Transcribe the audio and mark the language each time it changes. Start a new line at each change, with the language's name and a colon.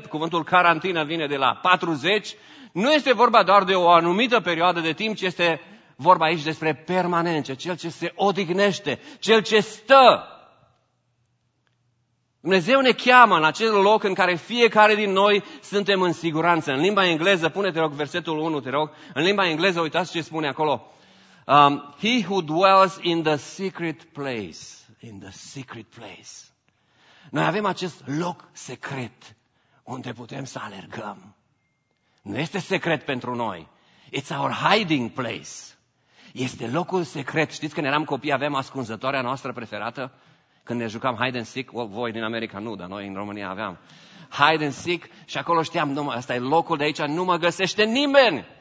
Romanian: Cuvântul carantină vine de la 40. Nu este vorba doar de o anumită perioadă de timp, ci este vorba aici despre permanență. Cel ce se odihnește, Cel ce stă. Dumnezeu ne cheamă în acel loc în care fiecare din noi suntem în siguranță. În limba engleză, pune-te rog versetul 1, te rog. În limba engleză, uitați ce spune acolo.
English: He who dwells in the secret place. In the secret place.
Romanian: Noi avem acest loc secret unde putem să alergăm. Nu este secret pentru noi.
English: It's our hiding place.
Romanian: Este locul secret. Știți că când eram copii aveam ascunzătoarea noastră preferată? Când ne jucam hide and seek, voi din America nu, dar noi în România aveam hide and seek și acolo știam, ăsta e locul de aici, nu mă găsește nimeni.